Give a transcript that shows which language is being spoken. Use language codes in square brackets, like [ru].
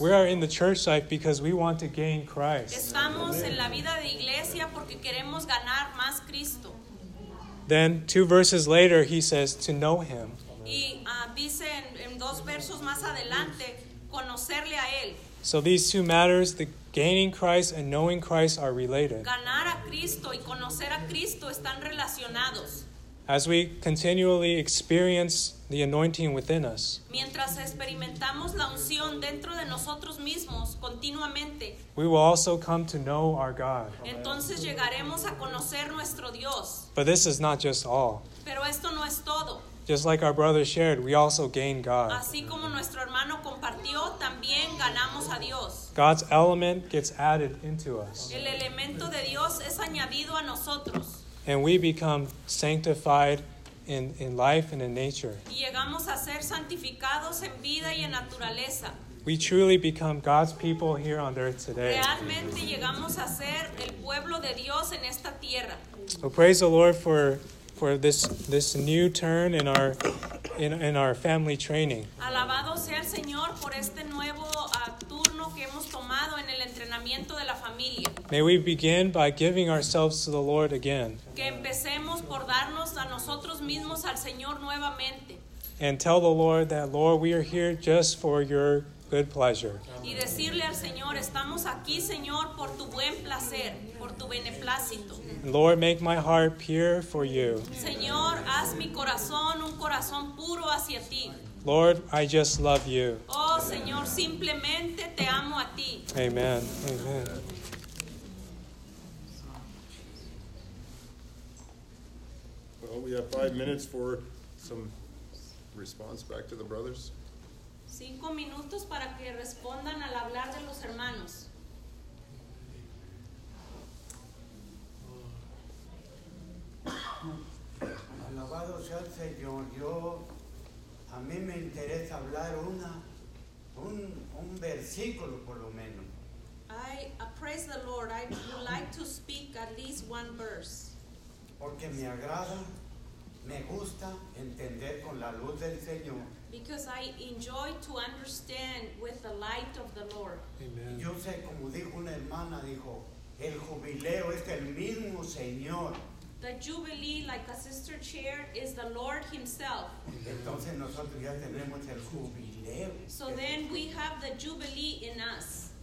[en] We are in the church life because we want to gain Christ. [es] Estamos en la vida de iglesia porque queremos ganar más Cristo. [en] Then, 2 verses later, he says, to know him. [es] Y dice en 2 versos más adelante, conocerle a él. [en] So these two matters, the gaining Christ and knowing Christ, are related. [es] Ganar a Cristo y conocer a Cristo están relacionados. [en] As we continually experience the anointing within us, [es] mientras experimentamos la unción dentro de nosotros mismos continuamente, [en] we will also come to know our God. [es] Entonces llegaremos a conocer nuestro Dios. [en] But this is not just all. [es] Pero esto no es todo. [en] Just like our brother shared, we also gain God. [es] Así como nuestro hermano compartió, también ganamos a Dios. [en] God's element gets added into us. [es] El elemento de Dios es añadido a nosotros. [en] And we become sanctified in life and in nature. [es] Y llegamos a ser santificados en vida y en naturaleza. [en] We truly become God's people here on earth today. [es] Realmente llegamos a ser el pueblo de Dios en esta tierra. [en] So praise the Lord for this new turn in our family training. [es] Alabado sea el Señor por este nuevo turno que hemos tomado en el entrenamiento. entrenamiento de la familia. [en] May we begin by giving ourselves to the Lord again. [es] Que empecemos por darnos a nosotros mismos al Señor nuevamente. [en] And tell the Lord that, Lord, we are here just for your good pleasure. [es] Y decirle al Señor, estamos aquí, Señor, por tu buen placer, por tu beneplácito. [en] Lord, make my heart pure for you. [es] Señor, haz mi corazón un corazón puro hacia ti. [en] Lord, I just love you. [es] Oh, Señor, simplemente te amo a ti. [en] Amen. Amen. Well, we have 5 minutes for some response back to the brothers. [es] 5 minutos para que respondan al hablar de los hermanos. Alabado sea el Señor. Yo, a mí me interesa hablar un versículo por lo menos. [en] Praise the Lord. I would like to speak at least one verse. [es] Porque me agrada, me gusta entender con la luz del Señor. [en] Because I enjoy to understand with the light of the Lord. Amen. [es] Yo sé, como dijo una hermana, dijo, el jubileo es el mismo Señor. [en] The jubilee, like a sister chair, is the Lord himself. [es] Entonces nosotros ya tenemos el jubileo. [en] So then we have the jubilee in us.